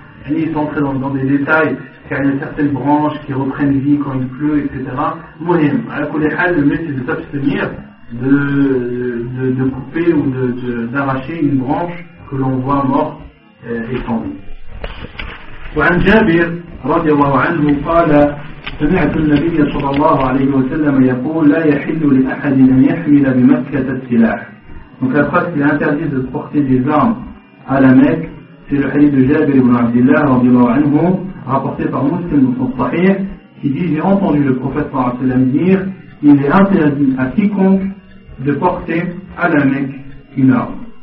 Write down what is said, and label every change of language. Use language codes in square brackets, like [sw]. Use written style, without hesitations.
[fr] Et ils sont entrés dans des détails, car il y a certaines branches qui reprennent vie quand il pleut, etc. Mouhim, à la Koulehal, le mieux c'est de s'abstenir de couper ou d'arracher une branche que l'on voit morte et sans vie. [ar] وعن جابر رضي الله عنه قال سمعت النبي صلى الله عليه وسلم يقول لا يحل لأحد أن يحمل بمكة السلاح. [fr] Donc la phrase qui est interdite de porter des armes à la Mecque, c'est le hadith de Jabir ibn Abdullah [ar] رضي الله عنه, [fr] rapporté par Muslim dans son Sahih, qui dit j'ai entendu le prophète [ar] صلى الله عليه وسلم [fr] dire il est interdit à quiconque de porter à la Mecque une arme.